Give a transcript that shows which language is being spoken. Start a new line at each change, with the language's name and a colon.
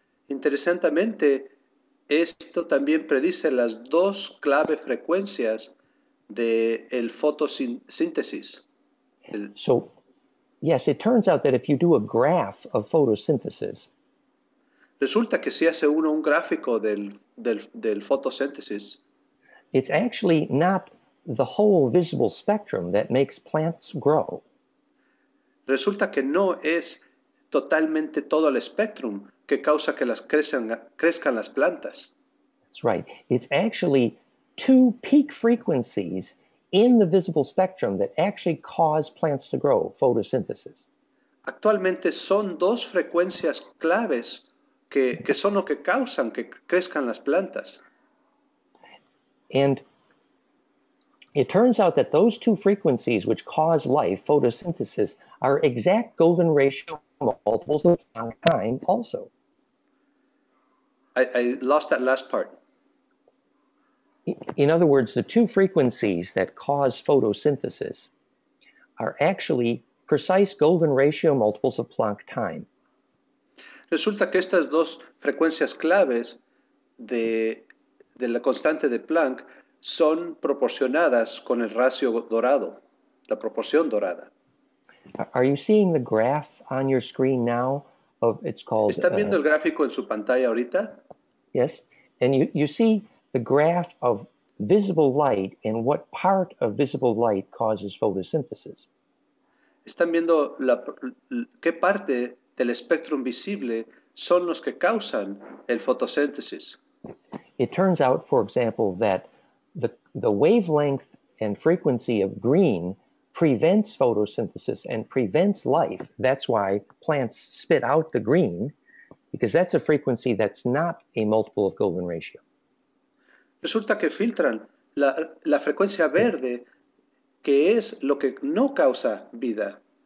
Spanish: Interesantemente, esto también predice las dos clave frecuencias de el fotosíntesis.
English: So, yes, it turns out that if you do a graph of photosynthesis,
Spanish: resulta que si hace uno un gráfico del fotosíntesis,
English: it's actually not the whole visible spectrum that makes plants grow.
Spanish: Resulta que no es totalmente todo el espectrum que causa que las crezcan las plantas.
English: That's right. It's actually two peak frequencies in the visible spectrum that actually cause plants to grow, photosynthesis.
Spanish: Actualmente son dos frecuencias claves que son lo que causan que crezcan las plantas.
English: And it turns out that those two frequencies which cause life, photosynthesis, are exact golden ratio multiples of time also. I lost that last part. In other words, the two frequencies that cause photosynthesis are actually precise golden ratio multiples of Planck time.
Spanish: Resulta que estas dos frecuencias claves de la constante de Planck son proporcionadas con el ratio dorado, la proporción dorada.
English: Are you seeing the graph on your screen now? It's called.
Spanish: ¿Está viendo el gráfico en su pantalla ahorita?
English: Yes, and you see the graph of visible light and what part of visible light causes photosynthesis.
Spanish: ¿Están viendo qué parte del espectro visible son los que causan el fotosíntesis?
English: It turns out, for example, that the wavelength and frequency of green prevents photosynthesis and prevents life. That's why plants spit out the green, because that's a frequency that's not a multiple of golden ratio.
Spanish: Resulta que filtran la frecuencia verde, que es lo que no causa vida.